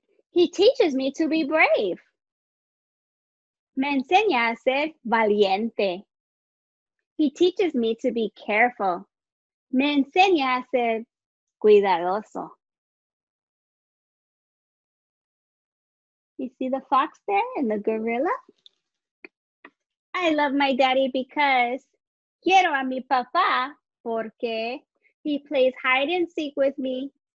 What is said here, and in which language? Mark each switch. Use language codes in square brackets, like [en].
[en] He teaches me to be brave. [es] Me enseña a ser valiente. [en] He teaches me to be careful. [es] Me enseña a ser cuidadoso. [en] You see the fox there and the gorilla? I love my daddy because [es] quiero a mi papá porque [en] he plays hide and seek with me.